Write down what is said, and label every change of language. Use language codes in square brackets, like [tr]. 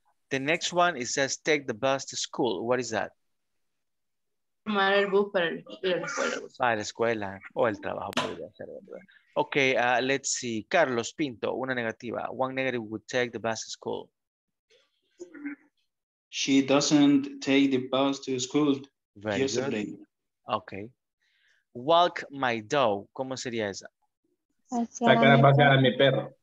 [en] The next one, it says take the bus to school. What is that? [es] Tomar el bus para la escuela. Para la escuela o el trabajo podría ser, ¿verdad? [en] Ok, let's see. Carlos Pinto, [es] una negativa. [en] One negative would take the bus to school. She doesn't take the bus to school. Very good. Ok. Walk my dog. [es] ¿Cómo sería esa? Sacar a pasear a mi perro.